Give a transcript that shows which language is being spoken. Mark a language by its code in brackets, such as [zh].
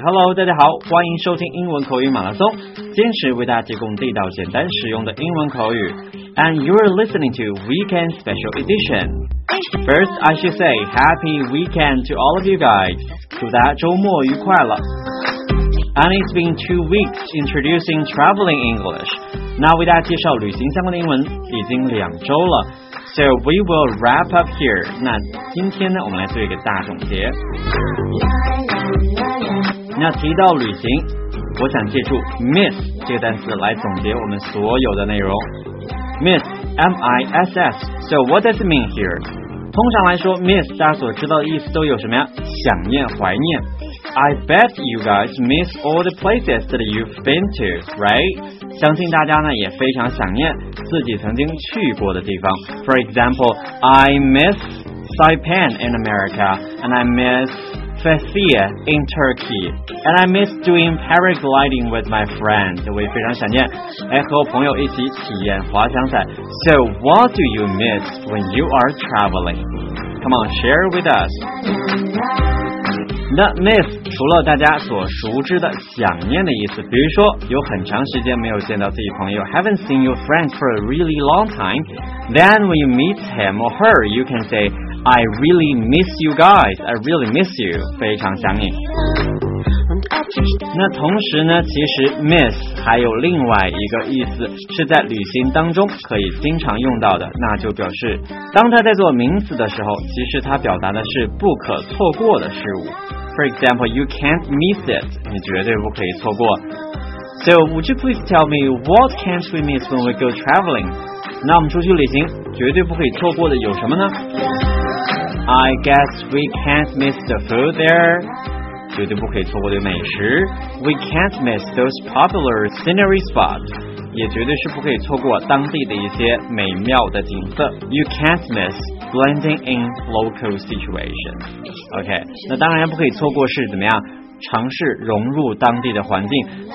[zh] Hello, 大家好，欢迎收听英文口语马拉松，坚持为大家提供地道、简单、实用的英文口语。 [en] And you are listening to Weekend Special Edition. First, I should say Happy Weekend to all of you guys. [zh] 祝大家周末愉快了。 [en] And it's been 2 weeks introducing traveling English. [zh] Now, 为大家介绍旅行相关的英文已经两周了。 [en] So we will wrap up here. [zh] 那今天呢，我们来做一个大总结。那提到旅行，我想借助 miss 这个单词来总结我们所有的内容。 [en] Miss, M-I-S-S. So what does it mean here? [zh] 通常来说 ，miss 大家所知道的意思都有什么呀？想念、怀念。 [en] I bet you guys miss all the places that you've been to, right? [zh] 相信大家呢也非常想念自己曾经去过的地方。 [en] For example, I miss Saipan in America, and I miss Fethiye in Turkey, and I miss doing paragliding with my friends. [zh] 我也非常想念和朋友一起体验滑翔伞。 [en] So what do you miss when you are traveling? Come on, share with us. [zh] 那 miss 除了大家所熟知的想念的意思，比如说有很长时间没有见到自己朋友 [en] haven't seen your friend for a really long time, then when you meet him or her, you can say, I really miss you guys, I really miss you, [zh] 非常想你。那同时呢，其实 miss 还有另外一个意思，是在旅行当中可以经常用到的，那就表示当它在做名词的时候，其实它表达的是不可错过的事物。 [en] For example, you can't miss it. [zh] 你绝对不可以错过。 [en] So, would you please tell me what can't we miss when we go traveling? [zh] 那我们出去旅行绝对不可以错过的有什么呢？ [en] I guess we can't miss the food there. [zh] 绝对不可以错过的美食。 [en] We can't miss those popular scenery spots. [zh] 也绝对是不可以错过当地的一些美妙的景色。 [en] You can't missBlending in local situations. [zh] OK, 那当然不可以错过是怎么样尝试融入当地的环境。